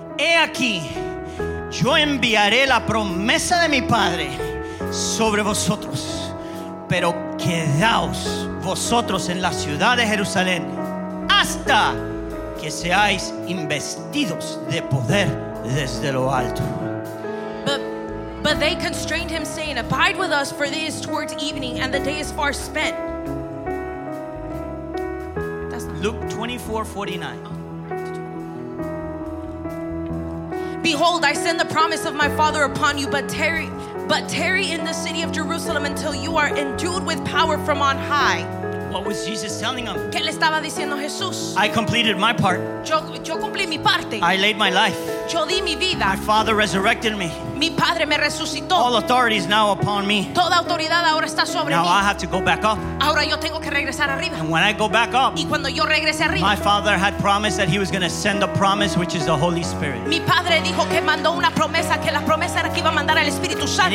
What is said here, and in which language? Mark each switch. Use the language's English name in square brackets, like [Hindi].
[Spanish] He aquí, yo enviaré la promesa de mi Padre sobre vosotros, pero quedaos vosotros en la ciudad de Jerusalén hasta que seáis investidos de poder desde lo alto. [English] But they constrained him, saying, abide with us, for it is towards evening, and the day is far spent. Luke 24:49. Behold, I send the promise of my Father upon you, but tarry in the city of Jerusalem until you are endued with power from on high. What was Jesus telling him? [Spanish] ¿Qué le estaba diciendo Jesús? [English] I completed my part. [Spanish] Yo cumplí mi parte. [English] I laid my life. [Spanish] Yo di mi vida. [English] My Father resurrected me. [Spanish] Mi padre me resucitó. [English] All authority is now upon me. [Spanish] Toda autoridad ahora está sobre [English] now [Spanish] mí. [English] I have to go back up. [Spanish] Ahora yo tengo que regresar arriba. [English] And when I go back up, [Spanish] y cuando yo regrese arriba, [English] my Father had promised that he was going to send a promise, which is the Holy Spirit. [Spanish] Mi padre dijo que mandó una promesa, que la promesa era que iba a mandar al Espíritu Santo.